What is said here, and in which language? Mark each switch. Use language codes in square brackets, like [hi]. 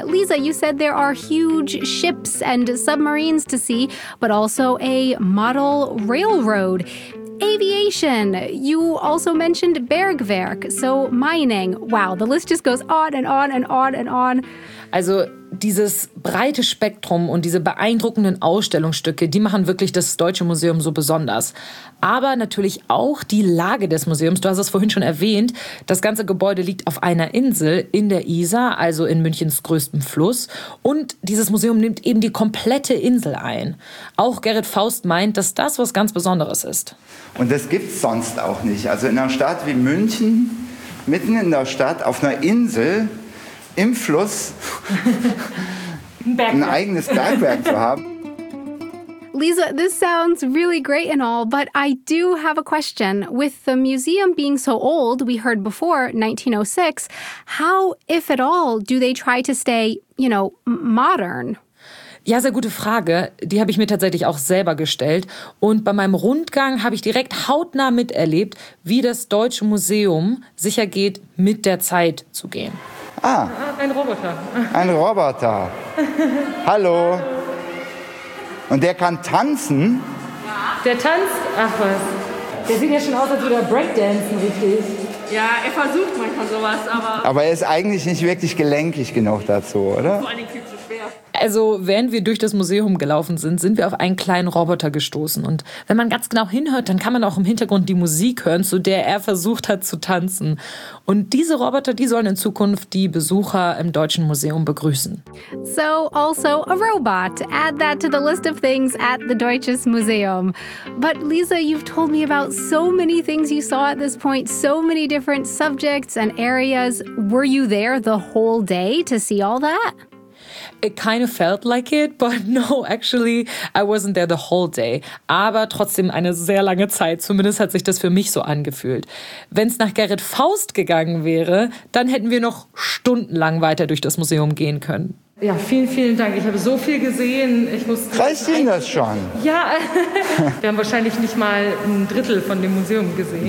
[en] Lisa, you said there are huge ships and submarines to see, but also a model railroad. Aviation. You also mentioned Bergwerk, so mining. Wow, the list just goes on and on and on and on. [de] Also dieses breite Spektrum und diese beeindruckenden Ausstellungsstücke, die machen wirklich das Deutsche Museum so besonders. Aber natürlich auch die Lage des Museums. Du hast es vorhin schon erwähnt. Das ganze Gebäude liegt auf einer Insel in der Isar, also in Münchens größtem Fluss. Und dieses Museum nimmt eben die komplette Insel ein. Auch Gerrit Faust meint, dass das was ganz Besonderes ist. Und das gibt's sonst auch nicht. Also in einer Stadt wie München, mitten in der Stadt, auf einer Insel, im Fluss ein eigenes Bergwerk zu haben. [en] Lisa, this sounds really great and all, but I do have a question. With the museum being so old, we heard before, 1906, how, if at all, do they try to stay, you know, modern? [de] Ja, sehr gute Frage. Die habe ich mir tatsächlich auch selber gestellt. Und bei meinem Rundgang habe ich direkt hautnah miterlebt, wie das Deutsche Museum sicher geht, mit der Zeit zu gehen. Ah, ein Roboter. Ein Roboter. Hallo. Und der kann tanzen? Ja. Der tanzt? Ach was. Der sieht ja schon aus, als würde er Breakdancen, richtig? Ja, er versucht manchmal sowas, aber... Aber er ist eigentlich nicht wirklich gelenkig genug dazu, oder? Vor allem viel zu schwer. Also, während wir durch das Museum gelaufen sind, sind wir auf einen kleinen Roboter gestoßen. Und wenn man ganz genau hinhört, dann kann man auch im Hintergrund die Musik hören, zu der er versucht hat zu tanzen. Und diese Roboter, die sollen in Zukunft die Besucher im Deutschen Museum begrüßen. [en] So, also a robot. Add that to the list of things at the Deutsches Museum. But Lisa, you've told me about so many things you saw at this point, so many different subjects and areas. Were you there the whole day to see all that? It kind of felt like it, but no, actually, I wasn't there the whole day. [de] Aber trotzdem eine sehr lange Zeit. Zumindest hat sich das für mich so angefühlt. Wenn es nach Gerrit Faust gegangen wäre, dann hätten wir noch stundenlang weiter durch das Museum gehen können. Ja, vielen, vielen Dank. Ich habe so viel gesehen. Ich musste. Reicht Ihnen das schon? Ja, wir haben wahrscheinlich nicht mal ein Drittel von dem Museum gesehen.